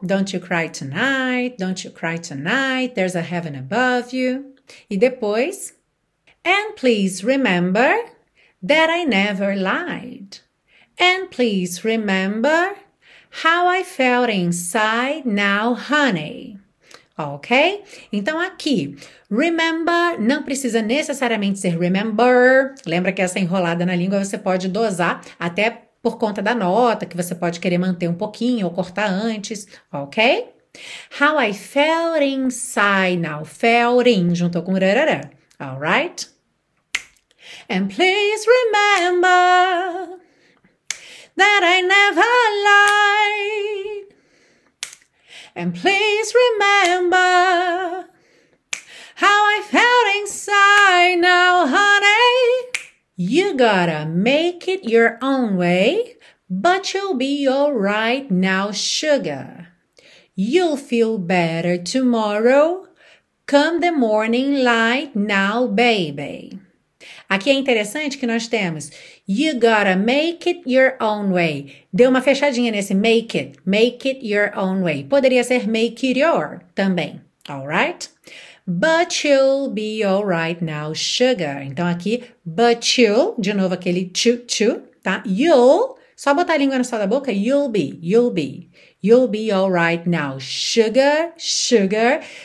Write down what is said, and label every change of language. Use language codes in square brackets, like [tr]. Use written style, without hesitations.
[en] Don't you cry tonight, don't you cry tonight, there's a heaven above you. E depois. And please remember that I never lied. And please remember how I felt inside now, honey. Ok? [pt] Então aqui, remember não precisa necessariamente ser remember. Lembra que essa enrolada na língua você pode dosar até. Por conta da nota, que você pode querer manter um pouquinho ou cortar antes, ok? [en] How I felt inside now, felt in, juntou com rarará, alright? And please remember that I never lied. And please remember how I felt inside now, honey. You gotta make it your own way, but you'll be all right now, sugar. You'll feel better tomorrow, come the morning light now, baby. Aqui é interessante que nós temos You gotta make it your own way. Dê uma fechadinha nesse make it your own way. Poderia ser make it your também, alright? But you'll be alright now, sugar. [pt] Então aqui, but you'll, de novo aquele tchu-tchu, tá? You'll, só botar a língua no sol da boca, you'll be, you'll be. [en] You'll be alright now, sugar, sugar.